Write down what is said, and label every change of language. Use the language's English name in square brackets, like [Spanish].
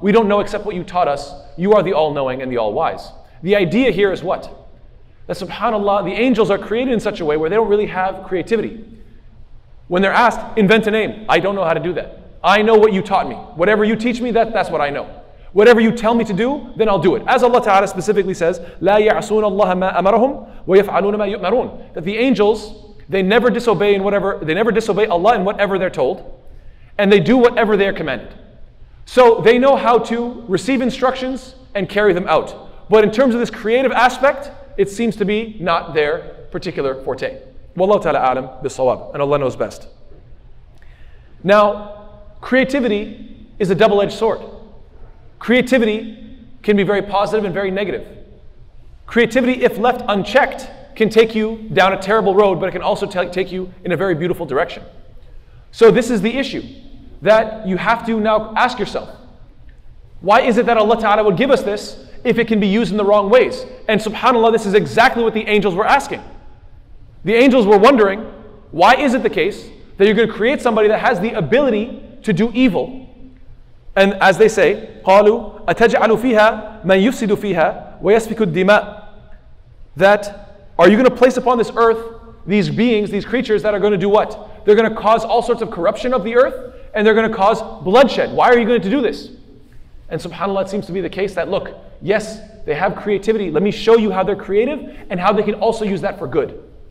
[English] We don't know except what you taught us. You are the all-knowing and the all-wise. The idea here is what? That subhanAllah, the angels are created in such a way where they don't really have creativity. When they're asked, invent a name. I don't know how to do that. I know what you taught me. Whatever you teach me, that's what I know. Whatever you tell me to do, then I'll do it. As Allah Ta'ala specifically says, [Arabic] لَا يَعْصُونَ اللَّهَ مَا أَمَرَهُمْ وَيَفْعَلُونَ مَا يُؤْمَرُونَ. [English] That the angels, they never disobey Allah in whatever they're told, and they do whatever they are commanded. So they know how to receive instructions and carry them out. But in terms of this creative aspect, it seems to be not their particular forte. Wallahu ta'ala a'lam bis-sawab, and Allah knows best. Now, creativity is a double-edged sword. Creativity can be very positive and very negative. Creativity, if left unchecked, can take you down a terrible road, but it can also take you in a very beautiful direction. So this is the issue that you have to now ask yourself. Why is it that Allah Ta'ala would give us this if it can be used in the wrong ways? And subhanAllah, this is exactly what the angels were asking. The angels were wondering, why is it the case that you're going to create somebody that has the ability to do evil? And as they say, [Arabic] قَالُوا أَتَجْعَلُ فِيهَا مَنْ يُفْسِدُ فِيهَا وَيَسْفِكُ الدِّمَاءِ. [English] That, are you going to place upon this earth these beings, these creatures that are going to do what? They're going to cause all sorts of corruption of the earth, and they're going to cause bloodshed. Why are you going to do this? And subhanAllah, it seems to be the case that, look, yes, they have creativity. Let me show you how they're creative and how they can also use that for good.